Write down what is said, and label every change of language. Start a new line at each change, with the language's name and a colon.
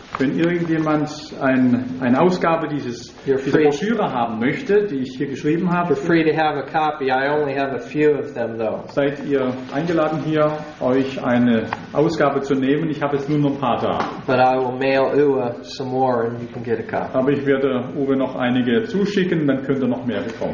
German: wenn irgendjemand eine Ausgabe dieser Broschüre haben möchte, die ich hier geschrieben habe,
English: you're free to have a copy. I only have a few of them, though.
German: Seid ihr eingeladen hier, euch eine Ausgabe zu nehmen. Ich habe jetzt nur noch ein paar da.
English: But I will mail Uwe some more, and you can get a copy.
German: Aber ich werde Uwe noch einige zuschicken, dann könnt ihr noch mehr bekommen.